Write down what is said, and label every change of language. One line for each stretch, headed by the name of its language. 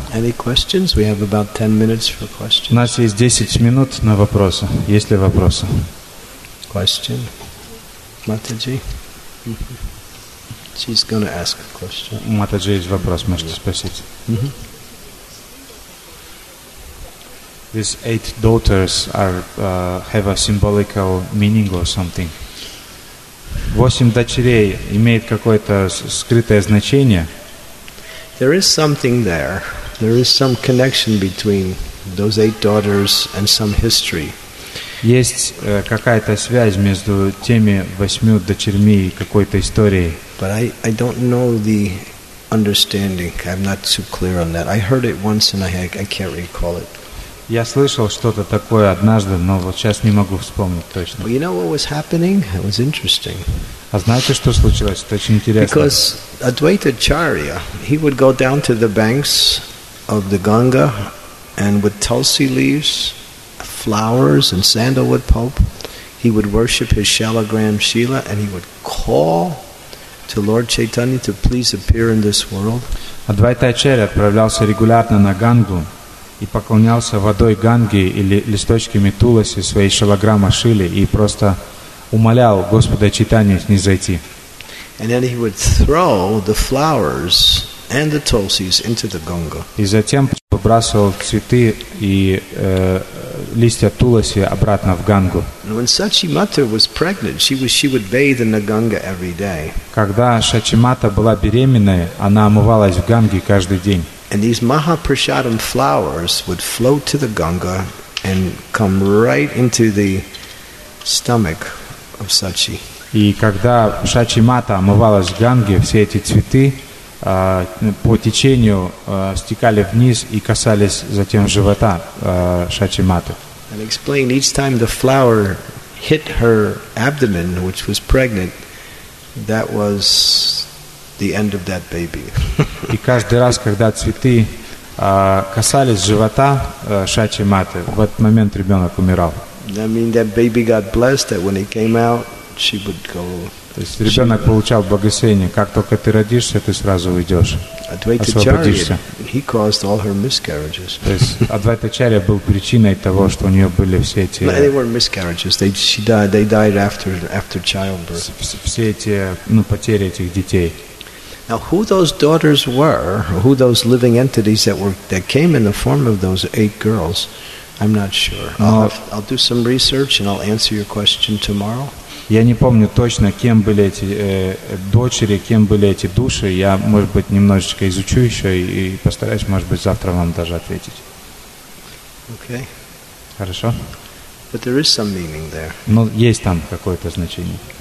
English: Any questions? We have about 10 minutes for questions.
Russian: У нас есть 10 минут на вопросы. Есть ли вопросы?
English: Question? Mataji? She's going to ask a question.
Russian: Матаджи, есть вопрос, можете спросить.
English: These eight daughters are have a symbolical meaning or something.
Russian: Восемь дочерей имеет какое-то скрытое значение.
English: There is something there. There is some connection between those eight daughters and some history.
Russian: Есть какая-то связь между теми восьмью дочерьми и какой-то историей.
English: But I don't know the understanding. I'm not too clear on that. I heard it once and I can't recall it.
Russian: Я слышал что-то такое однажды, но вот сейчас не могу вспомнить точно.
English: But you know what was happening? It was interesting.
Russian: А знаете, что случилось? Это очень интересно.
English: Because Advaita Charya, he would go down to the banks of the Ganga and with Tulsi leaves, flowers and sandalwood pulp, he would worship his Shalagram Shila and he would call to Lord Chaitanya to please appear in this world.
Russian: Адвайта Ачарья отправлялся регулярно на Гангу и поклонялся водой Ганги или листочками туласи своей Шалаграма Шили и просто умолял Господа Чайтанью снизойти.
English: And then he would throw the flowers and the tulsis into the Ganga.
Russian: И затем выбрасывал цветы и листья туласи обратно в Гангу.
English: And when Sachimata was pregnant, she would bathe in the Ganga every day.
Russian: Когда Шачимата была беременной, она омывалась в Ганге каждый день.
English: And these Mahaprasadam flowers would float to the Ganga and come right into the stomach of Sachi.
Russian: И когда Шачимата омывалась в Ганге, все эти цветы по течению стекали вниз и касались затем живота Шачиматы.
English: And explain each time the flower hit her abdomen, which was pregnant, that was the end of that baby.
Russian: И каждый раз, когда цветы касались живота Шачиматы, в этот момент ребенок умирал.
English: I mean, that baby got blessed that when he came out, she would go.
Russian: То есть ребенок получал благословение. Как только ты родишься, ты сразу уйдешь. Освободишься.
English: He caused all her miscarriages.
Russian: То есть Адвайта Чарья был причиной того, что у нее были все эти.
English: They weren't miscarriages. They died after childbirth.
Russian: Все эти, ну, потери этих детей.
English: Now who those daughters were, who those living entities that came in the form of those eight girls, I'm not sure. I'll do some research and I'll answer your question tomorrow.
Russian: Я не помню точно, кем были эти дочери, кем были эти души. Я, может быть, немножечко изучу еще и постараюсь, может быть, завтра вам даже ответить.
English: Okay.
Russian: Хорошо.
English: But there is some meaning there.
Russian: Но есть там какое-то значение.